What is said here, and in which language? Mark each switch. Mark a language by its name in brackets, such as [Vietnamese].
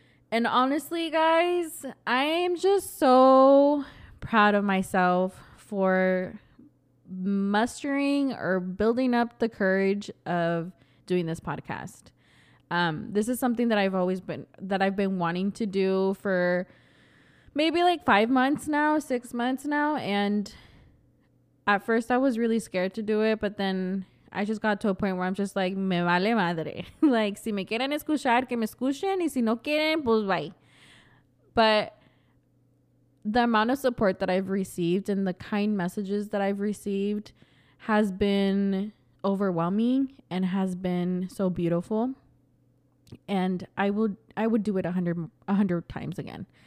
[English] And honestly, guys, I am just so proud of myself for mustering or building up the courage of doing this podcast. This is something that I've been wanting to do for maybe like 5 months now, 6 months now. And at first I was really scared to do it, but then I just got to a point where I'm just like, [Spanish] me vale madre. Like, si me quieren escuchar, que me escuchen. Y si no quieren, pues bye. [English] But the amount of support that I've received and the kind messages that I've received has been overwhelming and has been so beautiful. And I would do it 100 times again.